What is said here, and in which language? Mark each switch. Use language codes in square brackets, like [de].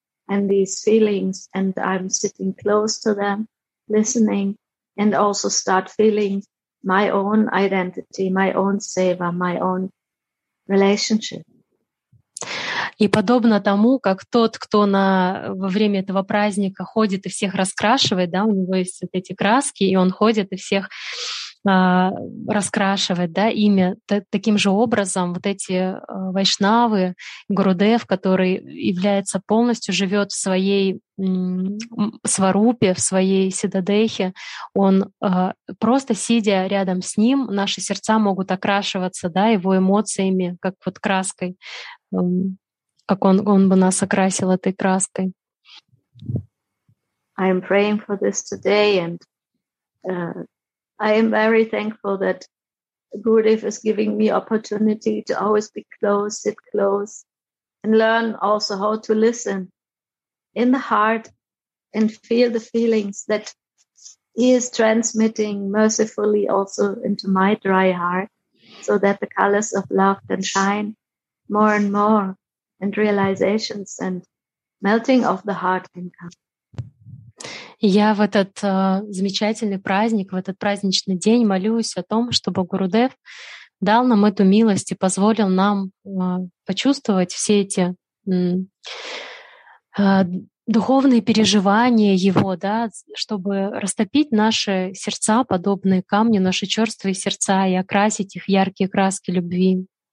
[en] And these feelings, and I'm sitting close to them, listening, and also start feeling my own identity, my own seva, my own relationship. [ru] И подобно тому, как тот, кто на, во время этого праздника ходит и всех раскрашивает, да, у него есть вот эти краски, и он ходит и всех раскрашивает, да, имя. Таким же образом вот эти вайшнавы, Гурудев, который является полностью, живет в своей сварупе, в своей сидадехе, он просто сидя рядом с ним, наши сердца могут окрашиваться, да, его эмоциями, как вот краской, как он бы нас окрасил этой краской. [en] I am praying for this today, and I am very thankful that Gurudev is giving me opportunity to always be close, sit close, and learn also how to listen in the heart and feel the feelings that he is transmitting mercifully also into my dry heart, so that the colors of love can shine more and more, and realizations and melting of the heart can come. [ru] Я в этот замечательный праздник, в этот праздничный день молюсь о том, чтобы Гурудев дал нам эту милость и позволил нам почувствовать все эти духовные переживания его, да, чтобы растопить наши сердца, подобные камню, наши чёрствые сердца, и окрасить их яркие краски любви.